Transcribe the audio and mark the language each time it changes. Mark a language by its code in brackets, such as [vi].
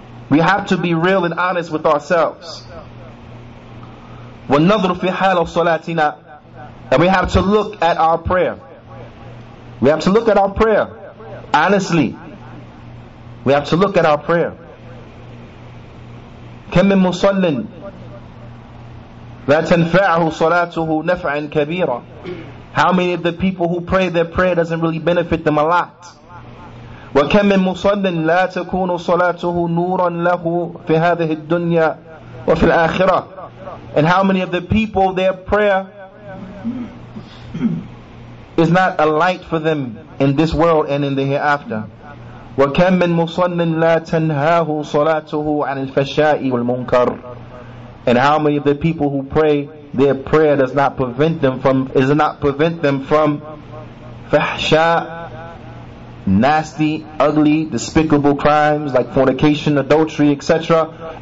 [en] We have to be real and honest with ourselves. [ar] والنظر في حال صلاتنا. [en] And we have to look at our prayer. We have to look at our prayer, honestly. We have to look at our prayer. [ar] كم من مصل لا تنفعه صلاته نفعا كبيرا. [en] How many of the people who pray their prayer doesn't really benefit them a lot? [ar] وكم من مصل لا تكون صلاته نورا له في هذه الدنيا وفي الآخرة. [en] And how many of the people their prayer is not a light for them in this world and in the hereafter. [ar] وَكَمْ مِنْ مُصَلٍّ لَا تَنْهَاهُ صَلَاتُهُ عَنِ الْفَشَّاءِ وَالْمُنْكَرِ [en] And how many of the people who pray, their prayer does not prevent them from, is not prevent them from fahsha, nasty, ugly, despicable crimes like fornication, adultery, etc.